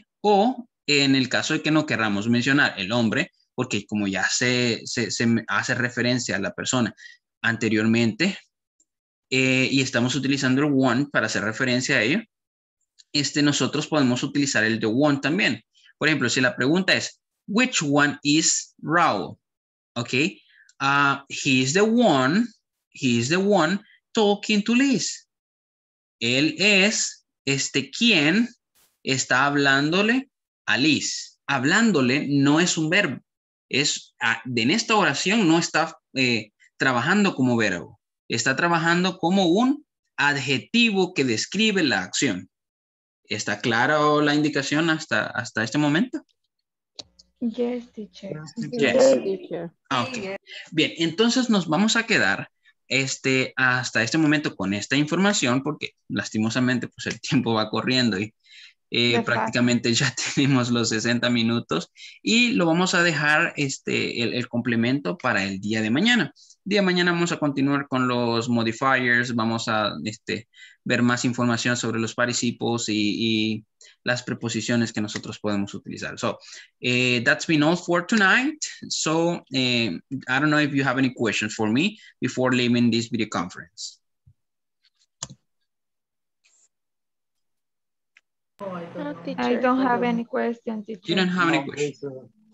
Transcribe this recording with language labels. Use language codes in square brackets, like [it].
[es] O en el caso de que no querramos mencionar el hombre, porque como ya se hace referencia a la persona anteriormente, y estamos utilizando el one para hacer referencia a ello, nosotros podemos utilizar el the one también. Por ejemplo, si la pregunta es, [en] which one is Raul? Ok, he is the one talking to Liz. [es] Él es quien está hablándole a Liz. Hablándole no es un verbo. En esta oración no está trabajando como verbo. Está trabajando como un adjetivo que describe la acción. ¿Está clara la indicación hasta este momento? [en] Yes, teacher. Yes, yes, teacher. Okay. [es] Bien, entonces nos vamos a quedar hasta este momento con esta información, porque lastimosamente pues el tiempo va corriendo y prácticamente ya tenemos los 60 minutos y lo vamos a dejar el complemento para el día de mañana. Día de mañana vamos a continuar con los modifiers, vamos a ver más información sobre los participles y las preposiciones que nosotros podemos utilizar. [en] So, that's been all for tonight. So, I don't know if you have any questions for me before leaving this video conference. Oh, I don't have any questions. Did you don't have any questions?